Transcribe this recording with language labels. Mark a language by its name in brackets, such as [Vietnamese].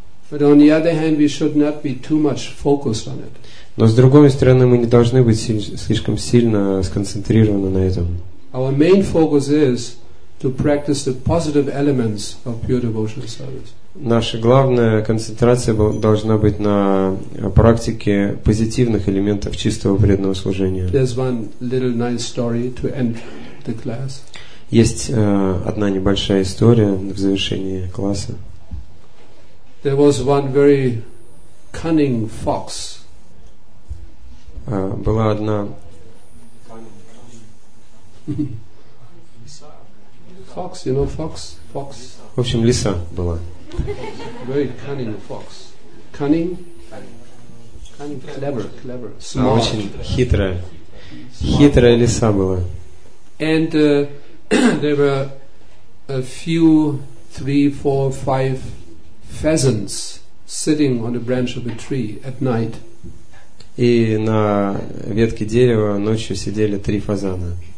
[English] But on the other hand, we should not be too much focused on it. [Russian] Но с другой стороны, мы не должны быть слишком сильно сконцентрированы на этом. [English] Our main focus is to practice the positive elements of pure devotional service. [Russian] Наша главная концентрация должна быть на практике позитивных элементов чистого преданного служения. [English] There's one little nice story to end the class. [Russian] Есть одна небольшая история в завершении класса. [English] There was one very cunning fox. [Russian] Была одна [English] fox, you know, fox, fox. [Russian] В общем, лиса была. [English] Very cunning fox. Cunning? Cunning, clever, clever. Smart. [Russian] Очень хитрая. Хитрая лиса была. [English] And there were a few, 3, 4, 5 pheasants sitting on a branch of a tree at night. [Russian] И на ветке дерева ночью сидели три фазана.